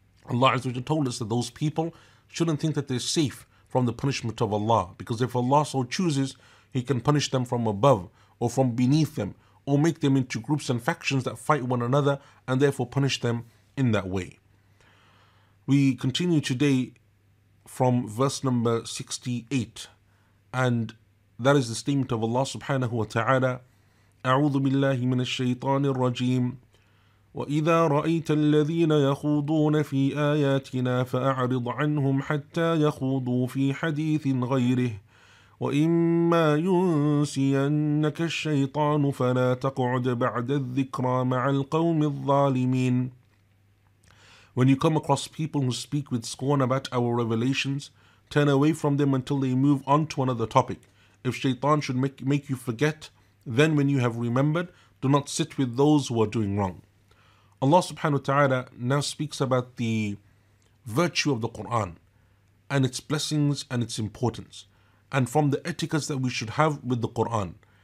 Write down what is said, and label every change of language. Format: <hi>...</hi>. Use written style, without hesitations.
<en>Allah Azza wa Jal told us that those people shouldn't think that they're safe from the punishment of Allah, because if Allah so chooses, He can punish them from above or from beneath them, or make them into groups and factions that fight one another and therefore punish them in that way. We continue today from verse number 68, and that is the statement of Allah subhanahu wa ta'ala.</en> <ar>أعوذ بالله من الشيطان الرجيم وإذا رأيت الذين يخوضون في آياتنا فأعرض عنهم حتى يخوضوا في حديث غيره وإما ينسينك الشيطان فلا تقعد بعد الذكرى مع القوم الظالمين.</ar> <en>When you come across people who speak with scorn about our revelations, turn away from them until they move on to another topic. If shaitan should make you forget, then when you have remembered, do not sit with those who are doing wrong. Allah subhanahu wa ta'ala now speaks about the virtue of the Quran and its blessings and its importance, and from the etiquettes that we should have with the Quran.</en>